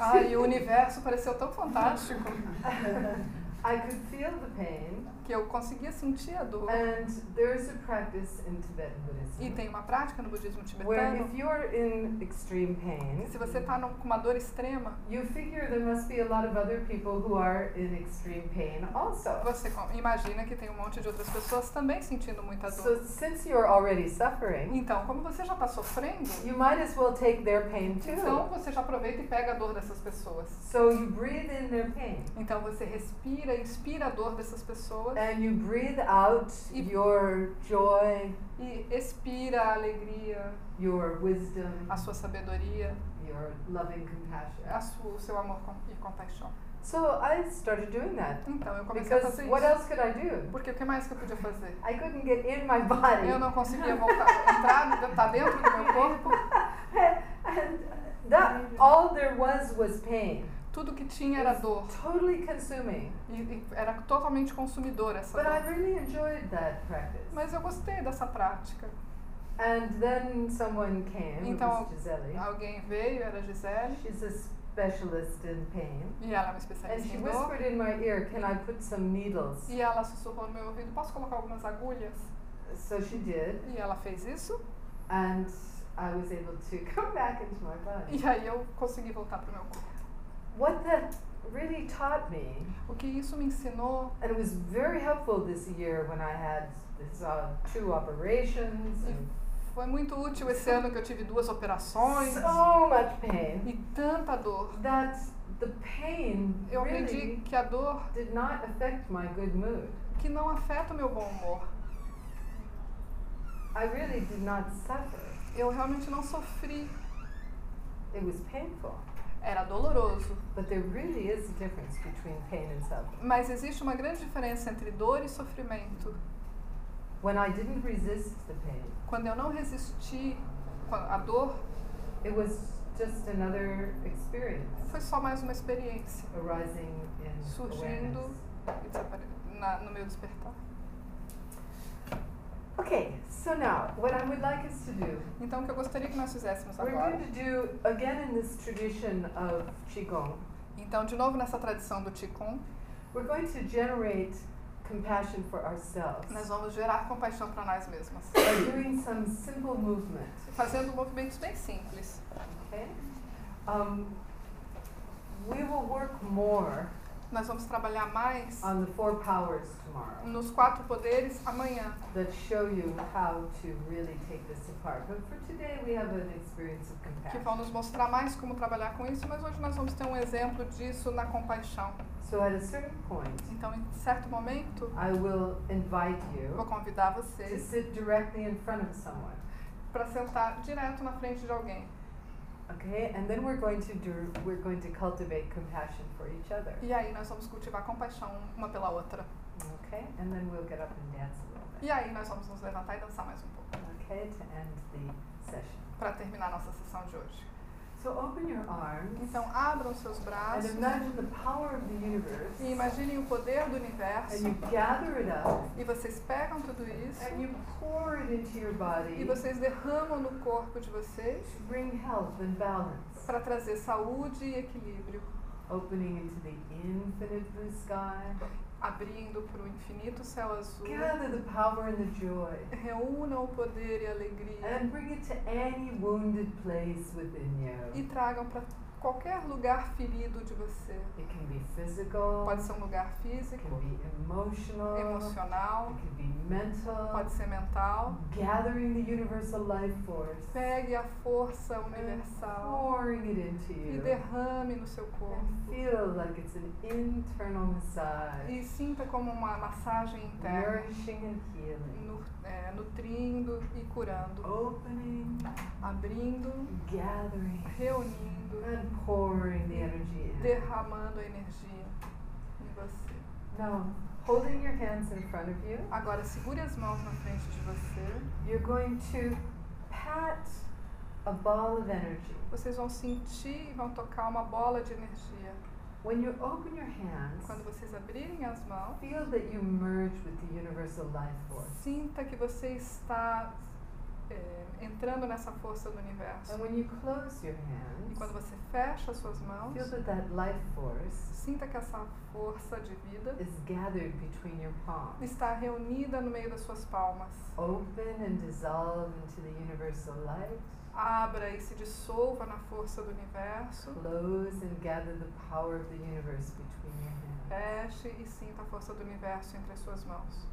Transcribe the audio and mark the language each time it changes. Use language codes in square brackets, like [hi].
[pt] Ah, e o universo pareceu tão fantástico. [en] I could feel the pain. [pt] Que eu conseguia sentir a dor. [en] And there's a practice in Tibetan Buddhism. [pt] E tem uma prática no budismo tibetano. [en] Where if you're in extreme pain, [pt] se você está com uma dor extrema, [en] you figure there must be a lot of other people who are in extreme pain also. [pt] Você imagina que tem um monte de outras pessoas também sentindo muita dor. [en] So since you're already suffering, [pt] então como você já está sofrendo, [en] you might as well take their pain too. [pt] Então você já aproveita e pega a dor dessas pessoas. [en] So you breathe in their pain. [pt] Então você respira. Inspira a dor dessas pessoas. [en] And you breathe out your joy. [pt] E expira a alegria. [en] Your wisdom. [pt] A sua sabedoria. [en] Your loving compassion. [pt] O seu amor e compaixão. [en] So I started doing that. [pt] Então eu comecei [en] because [pt] a fazer [en] what [pt] isso. [en] Else could I do? [pt] Porque o que mais que eu podia fazer? [en] I couldn't get in my body. [pt] Eu não conseguia voltar entrar, estar dentro do meu corpo. [en] And that all there was pain. [pt] Tudo que tinha era dor. [en] Totally consuming. [pt] E era totalmente consumidor essa [en] But [pt] dor. [en] I really enjoyed that practice. [pt] Mas eu gostei dessa prática. [en] And then someone came, [pt] então, [en] it was Gisele. [pt] Alguém veio, era Gisele. [en] She's a specialist in pain. [pt] E ela é uma especialista [en] And [pt] em [en] she [pt] dor. [en] Whispered in my ear, "Can I put some needles?" [pt] E ela sussurrou no meu ouvido, "Posso colocar algumas agulhas?" [en] So she did. [pt] E ela fez isso. [en] And I was able to come back into my body. [pt] E aí eu consegui voltar para o meu corpo. [en] What that really taught me, [pt] o que isso me ensinou, [en] and it was very helpful this year when I had this, two operations. [pt] Foi muito útil esse ano que eu tive duas operações. [en] So much pain. [pt] E tanta dor. [en] That the pain [pt] eu aprendi [en] really [pt] que a dor [en] did not affect my good mood. [pt] Que não afeta o meu bom humor. [en] I really did not suffer. [pt] Eu realmente não sofri. [en] It was painful. [pt] Era doloroso. [en] But there really is a difference between pain and suffering. [pt] Mas existe uma grande diferença entre dor e sofrimento. [en] When I didn't resist the pain, [pt] quando eu não resisti à dor, [en] it was just another experience. [pt] Foi só mais uma experiência. [en] Arising in [pt] surgindo [en] awareness. [pt] No meu despertar. [en] Okay, so now what I would like us to do. [pt] Então o que eu gostaria que nós fizéssemos [en] we're [pt] agora. [en] We're going to do again in this tradition of Qigong. [pt] Então de novo nessa tradição do Qigong. [en] We're going to generate compassion for ourselves. [pt] Nós vamos gerar compaixão para nós mesmas. [en] By doing some simple movement. [pt] Fazendo movimentos bem simples. [en] Okay. We will work more. [pt] Nós vamos trabalhar mais [en] on the four powers tomorrow, [pt] nos quatro poderes amanhã. [en] That show you how to really take this apart. But for today we have an experience of compassion. [pt] Que vão nos mostrar mais como trabalhar com isso, mas hoje nós vamos ter um exemplo disso na compaixão. [en] So at a certain point, [pt] então em certo momento, [en] I will invite you, [pt] vou convidar vocês, [en] to sit directly in front of someone, [pt] para sentar direto na frente de alguém. [en] Okay, and then we're going to cultivate compassion for each other. [pt] E aí nós vamos cultivar compaixão uma pela outra. [en] Okay, and then we'll get up and dance a little bit. [pt] E aí nós vamos nos levantar e dançar mais um pouco. [en] Okay, to end the session. [pt] Para terminar nossa sessão de hoje. [en] So open your arms. [pt] Então abram seus braços. [en] And imagine the power of the universe. [pt] E imaginem o poder do universo. [en] And you gather it up. [pt] E vocês pegam tudo isso. [en] And you pour it into your body. [pt] E vocês derramam no corpo de vocês. [en] To bring health and balance. [pt] Para trazer saúde e equilíbrio. [en] Opening into the infinite blue sky. [pt] Abrindo para o infinito céu azul. [en] Gather the power and the joy. [pt] Reúna o poder e a alegria. [en] And bring it to any wounded place within you. [pt] E tragam para qualquer lugar ferido de você. [en] It can be physical. [pt] Pode ser um lugar físico. [en] It can be emotional. [pt] Emocional. [en] It can be mental. [pt] Pode ser mental. [en] Gathering the universal life force. [pt] Pegue a força universal. [en] Pouring it into you. [pt] E derrame no seu corpo. [en] And feel like it's an internal massage. [pt] E sinta como uma massagem interna. [en] Nourishing and healing. [pt] Nutrindo e curando. [en] Opening. [pt] Abrindo. [en] Gathering. [pt] Reunindo. [en] And pouring the energy in. [pt] Derramando a energia em você. [en] Now, holding your hands in front of you. [pt] Agora segure as mãos na frente de você. [en] You're going to pat a ball of energy. [pt] Vocês vão sentir e vão tocar uma bola de energia. [en] When you open your hands, [pt] quando vocês abrirem as mãos, [en] feel that you merge with the universal life force. [pt] Sinta que você está entrando nessa força do universo. [en] And when you close your hands, [pt] e quando você fecha as suas mãos, [en] feel that that life force, [pt] sinta que essa força de vida [en] is gathered between your palms, [pt] está reunida no meio das suas palmas. [en] Open and dissolve into the universal light. [pt] Abra e se dissolva na força do universo. [en] Close and gather the power of the universe between your hands. [pt] Feche e sinta a força do universo entre as suas mãos.